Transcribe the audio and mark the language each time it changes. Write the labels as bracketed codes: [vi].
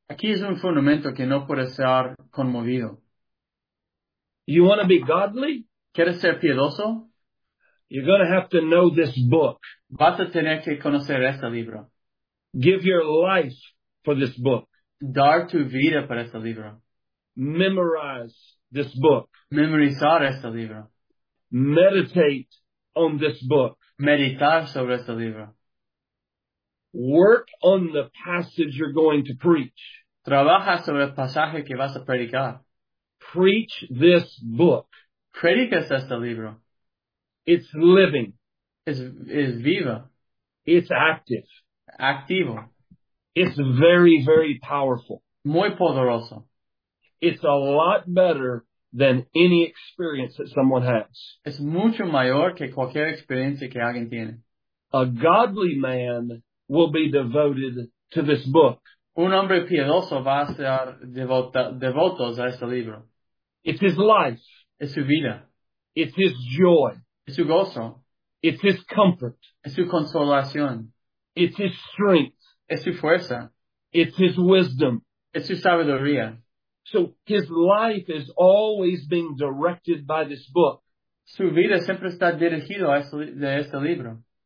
[es] Aquí es un fundamento que no puede ser conmovido. [en] You want to be godly? [es] ¿Quieres ser piedoso? [en] You're going to have to know this book. [es] Vas a tener que conocer este libro. [en] Give your life for this book. [es] dar tu vida para este libro. [en] Memorize this book. [es] Memorizar este libro. [en] Meditate on this book. [es] Meditar sobre este libro. [en] Work on the passage you're going to preach. [es] Trabaja sobre el pasaje que vas a predicar. [en] Preach this book. [es] Predicas este libro. [en] It's living. [es] Es viva. [en] It's active. [es] Activo. [en] It's very, very powerful. [es] Muy poderoso. [en] It's a lot better than any experience that someone has. [es] Es mucho mayor que cualquier experiencia que alguien tiene. [en] A godly man will be devoted to this book. [es] Un hombre piadoso va a ser devoto a este libro. [en] It's his life. [es] Es su vida. [en] It's his joy. [es] Es su gozo. [en] It's his comfort. [es] Es su consolación. [en] It's his strength. [es] Es su fuerza. [en] It's his wisdom. [es] Es su sabiduría. [en] So his life is always being directed by this book. [es] Su vida siempre está dirigida a este libro.